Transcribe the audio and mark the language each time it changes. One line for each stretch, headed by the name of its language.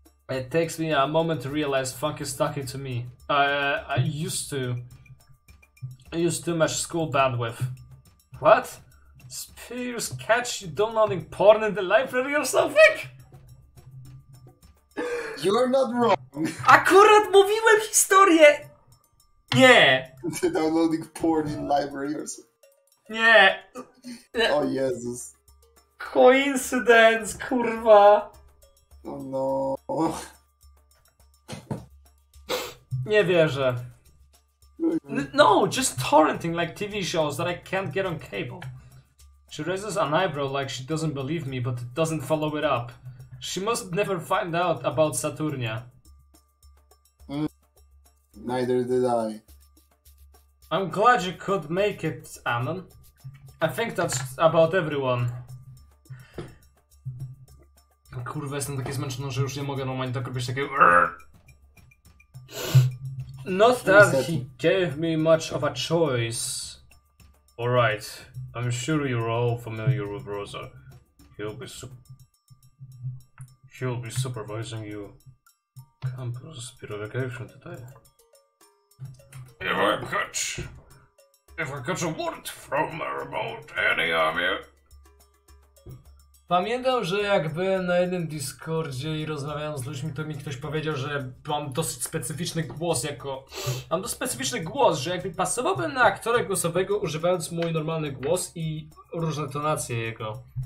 English: It takes me a moment to realize Funk is talking to me. I used too much school bandwidth. What? Spears catch you downloading porn in the library or something? You're not wrong.
Polish: Akurat mówiłem historię! Nie!
English: Downloading porn in library or something.
Polish: Nie! O Jezus.
English: Coincidence, kurwa! Oh no.
Polish: Nie wierzę.
English: No, just torrenting like TV shows that I can't get on cable. She raises an eyebrow like she doesn't believe me, but doesn't follow it up. She must never find out about Saturnia. Neither did I. I'm glad you could make it, Anon. I think that's about everyone.
Polish: Kurwa, jestem taki zmęczony, że już nie mogę normalnie tak robić takiego...
English: Not that he gave me much of a choice. Alright. I'm sure you're all familiar with Rosa. He'll be supervising you. Campus Spiro vacation today. If I catch a word from her about any of you.
Polish: Pamiętam, że jakby na jednym Discordzie i rozmawiałem z ludźmi, to mi ktoś powiedział, że mam dosyć specyficzny głos jako... Mam dosyć specyficzny głos, że jakby pasowałbym na aktora głosowego, używając mój normalny głos i różne tonacje jego.